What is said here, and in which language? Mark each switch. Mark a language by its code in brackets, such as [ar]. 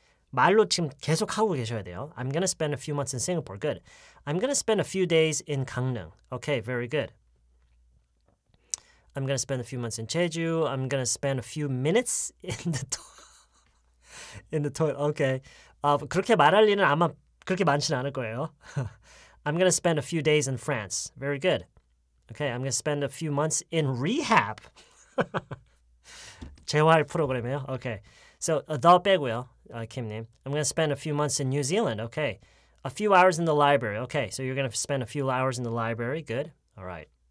[ko] 말로 지금 계속 하고 계셔야 돼요. [en] I'm gonna spend a few months in Singapore. Good. I'm gonna spend a few days in 강릉. Okay, very good. I'm gonna spend a few months in Jeju. I'm gonna spend a few minutes in the toilet. Okay. [ko] 그렇게 말할 일은 아마 그렇게 많지는 않을 거예요. [en] I'm gonna spend a few days in France. Very good. Okay, I'm gonna spend a few months in rehab. [ko] 재활 프로그램이에요? [en] Okay. So, [ko] 더 빼고요, Kim님. [en] I'm gonna spend a few months in New Zealand. Okay. A few hours in the library. Okay, so you're gonna spend a few hours in the library. Good. All right.